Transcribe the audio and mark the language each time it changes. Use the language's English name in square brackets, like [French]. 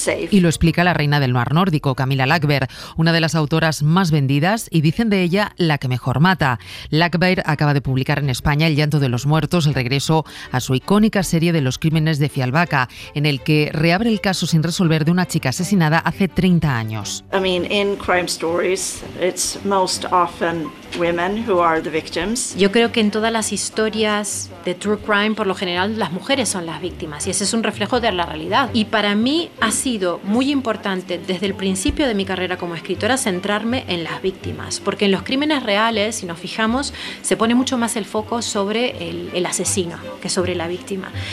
[Spanish] Y lo explica la reina del noir nórdico, Camila Läckberg, una de las autoras más vendidas y dicen de ella la que mejor mata. Läckberg acaba de publicar en España El llanto de los muertos, el regreso a su icónica serie de los crímenes de Fjällbacka, en el que reabre el caso sin resolver de una chica asesinada hace 30 años. [English] En crime stories, it's most often women who are the victims. [Spanish] Yo creo que en todas las historias de true crime, por lo general, las mujeres son las víctimas y ese es un reflejo de la realidad. Y para mí ha sido muy importante desde el principio de mi carrera como escritora centrarme en las víctimas, porque en los crímenes reales, si nos fijamos, se pone mucho más el foco sobre el asesino que sobre la víctima.